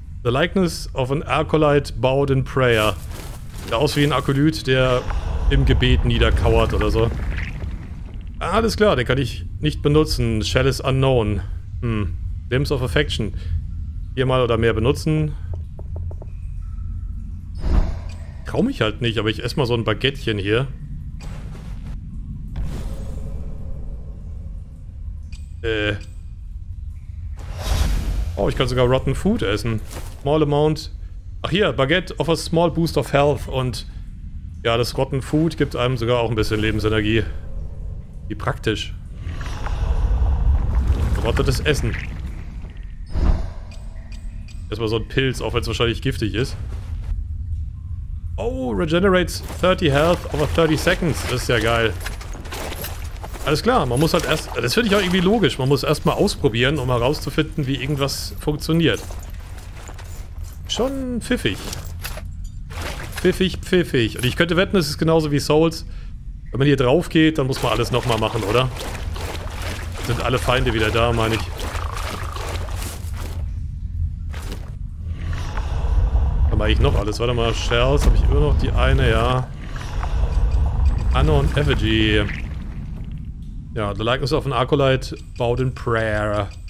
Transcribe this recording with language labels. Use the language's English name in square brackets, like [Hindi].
[English] The likeness of an acolyte bowed in prayer. [German] Sieht aus wie ein Akolyt, der im Gebet niederkauert oder so. Alles klar, den kann ich nicht benutzen. [English] Shell is unknown. [German] Glimpse of Affection. Viermal oder mehr benutzen. Trau mich halt nicht, aber ich esse mal so ein Baguettchen hier. Oh, ich kann sogar Rotten Food essen. [English] Small amount. Ach hier, Baguette offers small boost of health. [German] Und ja, das Rotten Food gibt einem sogar auch ein bisschen Lebensenergie. Wie praktisch. Gerottetes Essen. Erstmal so ein Pilz, auch wenn es wahrscheinlich giftig ist. [English] Oh, regenerates 30 health over 30 seconds. [German] Das ist ja geil. Alles klar, man muss halt erst... Das finde ich auch irgendwie logisch. Man muss erstmal ausprobieren, um herauszufinden, wie irgendwas funktioniert. Schon pfiffig. Pfiffig, pfiffig. Und ich könnte wetten, es ist genauso wie Souls. Wenn man hier drauf geht, dann muss man alles nochmal machen, oder? Sind alle Feinde wieder da, meine ich. Da mache ich noch alles. Warte mal, Shells, habe ich immer noch die eine, ja. [English] Unknown Effigy. Ja, the likeness of an acolyte bowed in prayer.